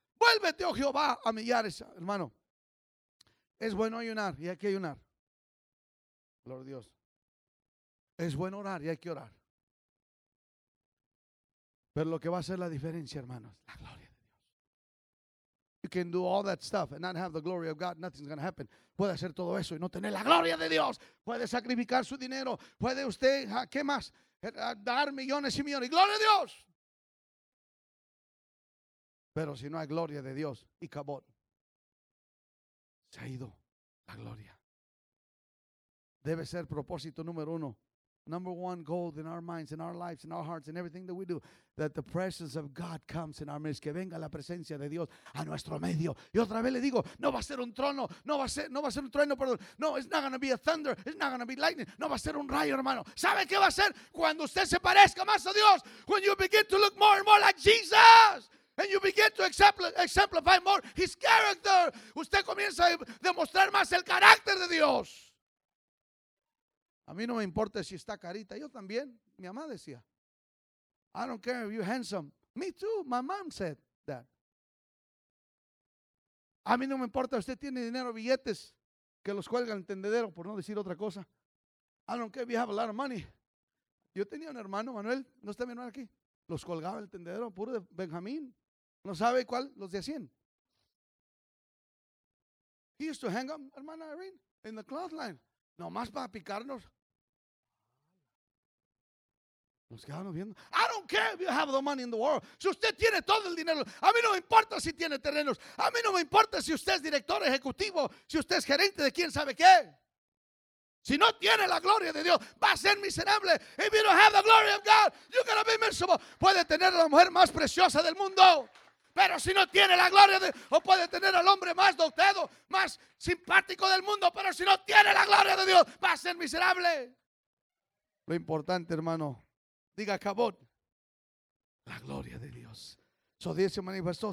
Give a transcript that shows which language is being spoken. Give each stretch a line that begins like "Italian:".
Spanish: Vuélvete, oh Jehová, a millares. Hermano, es bueno ayunar y hay que ayunar. Gloria a Dios. Es bueno orar y hay que orar. Pero lo que va a hacer la diferencia, hermanos, la gloria de Dios. ¿Y
English: You can do all that stuff and not have the glory of God. Nothing's going to happen.
Spanish: Puede hacer todo eso y no tener la gloria de Dios. Puede sacrificar su dinero. Puede usted, ¿qué más? Dar millones y millones. ¡Gloria a Dios! Pero si no hay gloria de Dios, y cabot, se ha ido la gloria. Debe ser propósito número uno.
English: Number one goal in our minds, in our lives, in our hearts, in everything that we do, that the presence of God comes in our midst.
Spanish: Que venga la presencia de Dios a nuestro medio. Y otra vez le digo, no va a ser un trono, no va a ser un trueno.
English: No, it's not going to be a thunder, it's not going to be lightning.
Spanish: No va a ser un rayo, hermano. ¿Sabe qué va a ser? Cuando usted se parezca más a Dios,
English: when you begin to look more and more like Jesus, and you begin to exemplify more his character,
Spanish: usted comienza a demostrar más el carácter de Dios. A mí no me importa si está carita. Yo también. Mi mamá decía,
English: I don't care if you're handsome. Me too. My mom said that.
Spanish: A mí no me importa si usted tiene dinero, billetes, que los cuelga en el tendedero, por no decir otra cosa.
English: I don't care if you have a lot of money.
Spanish: Yo tenía un hermano, Manuel. ¿No está mi hermano aquí? Los colgaba en el tendedero, puro de Benjamín. ¿No sabe cuál? Los de 100.
English: He used to hang them, hermana Irene, in the clothesline.
Spanish: Nomás para picarnos. Nos quedamos viendo.
English: I don't care if you have the money in the world.
Spanish: Si usted tiene todo el dinero, a mí no me importa si tiene terrenos. A mí no me importa si usted es director ejecutivo, si usted es gerente de quién sabe qué. Si no tiene la gloria de Dios, va a ser miserable.
English: If you don't have the glory of God, you're going to be miserable.
Spanish: Puede tener la mujer más preciosa del mundo, pero si no tiene la gloria de Dios, o puede tener al hombre más dotado, más simpático del mundo, pero si no tiene la gloria de Dios, va a ser miserable. Lo importante, hermano, diga cabot, la gloria de Dios. So 10 se manifestó.